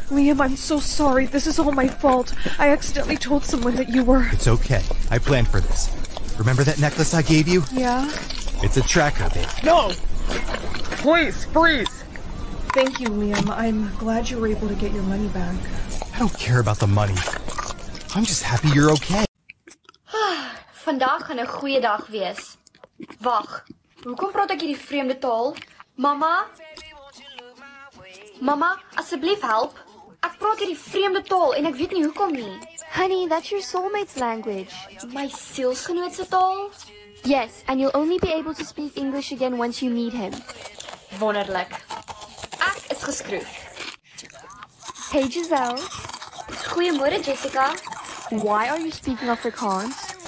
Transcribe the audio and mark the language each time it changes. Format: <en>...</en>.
<en>Liam, I'm so sorry. This is all my fault. I accidentally told someone that you were... It's okay. I planned for this. Remember that necklace I gave you? Yeah. It's a tracker, babe. No! Please, freeze! Thank you, Liam. I'm glad you were able to get your money back. I don't care about the money. I'm just happy you're okay.</en> <af>Vandaag gaan 'n goeie dag wees. Wag. Hoekom praat ek hierdie vreemde taal? Mama? Mama, asseblief help. Ek praat hierdie vreemde taal en ek weet nie hoekom nie.</af> <en>Honey, that's your soulmate's language.</en> <af>My sielsgenoot se taal?</af> <en>Yes, and you'll only be able to speak English again once you meet him.</en> <af>Wonderlik. Ek is geskroef.</af> <en>Hey Giselle.</en> <af>Goeiemôre Jessica.</af> <en>Why are you speaking Afrikaans?</en>